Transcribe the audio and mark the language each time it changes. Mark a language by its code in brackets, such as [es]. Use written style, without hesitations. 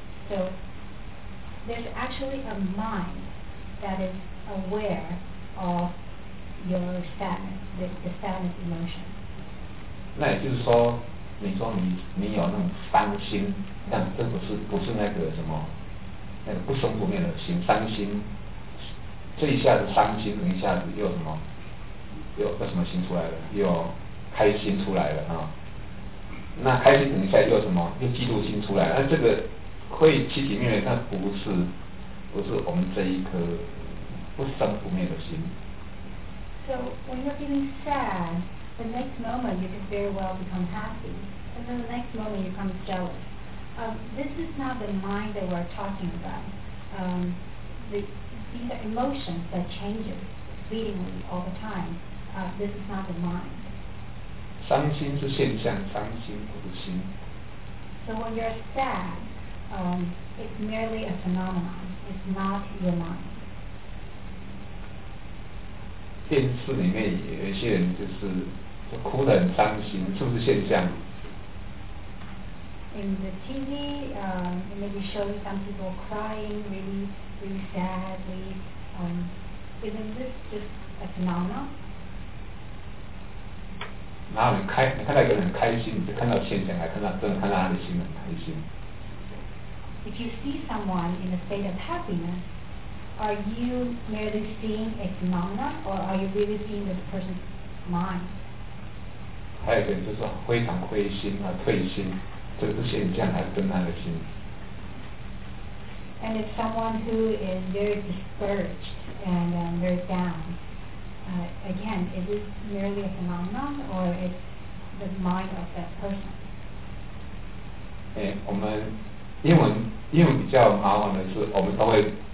[en] So there's actually a mind that is aware of your sadness, the sadness emotion. [zh] 那也就是说，你说你有那种伤心，但这不是那个什么，那个不生不灭的心，伤心，这一下子伤心，一下子又什么，又什么心出来了，又开心出来了啊。那开心等一下又什么，又嫉妒心出来了，那这个会起起灭灭，但不是我们这一颗不生不灭的心。 [en] So when you're feeling sad, the next moment you could very well become happy, and then the next moment you become jealous. This is not the mind that we're talking about. These are emotions that change fleetingly all the time. This is not the mind. [zh] 伤心是现象，伤心不是心。 [en] So when you're sad, it's merely a phenomenon. It's not your mind. [zh] 电视里面有一些人就哭得很伤心，是不是现象？ [en] In the TV, maybe showing some people crying, really, really sadly. Isn't this just a phenomenon? [zh] 然后你看到一个人很开心，你就看到现象，还看到他的心很开心。 [en] If you see someone in a state of happiness,Are you merely seeing a phenomenon, or are you really seeing this person's mind? [zh] 还有一点就是非常灰心啊，退心，这个是现象还是跟他的心？ [en] And if someone who is very discouraged and very down, again, is it merely a phenomenon, or is the mind of that person? [zh] 我们英文比较麻烦的是，我们都会。